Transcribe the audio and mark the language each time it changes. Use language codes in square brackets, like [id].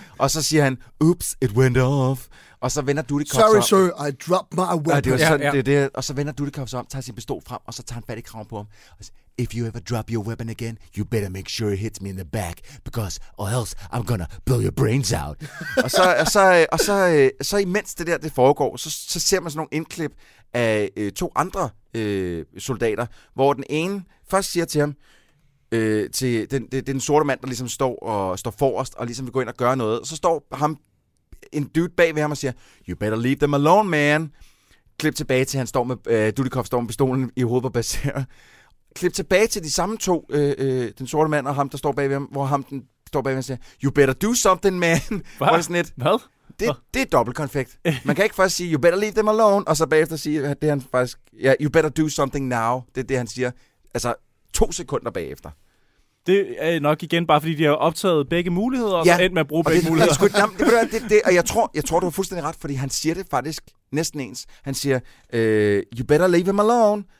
[da] Og så siger han, [en] oops, it went off. [da] Og så vender Dudikoff sig om. [en] Sorry, sir, I dropped my weapon. [da] Og så vender Dudikoff sig om, tager sin pistol frem, og så tager han fat i kraven på ham. Og siger, [en] if you ever drop your weapon again, you better make sure it hits me in the back, because or else I'm gonna blow your brains out. [da] og så imens det der, det foregår, så ser man sådan nogle indklip af to andre soldater, hvor den ene først siger til ham, til den sorte mand, der ligesom står forrest og ligesom vil gå ind og gøre noget. Så står ham en dude bag ved ham og siger, [en] you better leave them alone, man. [da] Klip tilbage til, han står med, Dudikoff står med pistolen i hovedet på Becerra. Klip tilbage til de samme to, den sorte mand og ham, der står bag ved ham, hvor ham den står bag ved ham og siger, [en] you better do something, man. [da] Hvad? Det er dobbelt konfekt. Man kan ikke først sige, [en] you better leave them alone, [da] og så bagefter sige, at det han faktisk, ja, [en] you better do something now. [da] Det er det, han siger. Altså, 2 sekunder bagefter. Det er nok igen bare, fordi de har optaget begge muligheder, ja, og så endt med at bruge begge muligheder. Og jeg tror, du har fuldstændig ret, fordi han siger det faktisk næsten ens. Han siger, [en] you better leave him alone.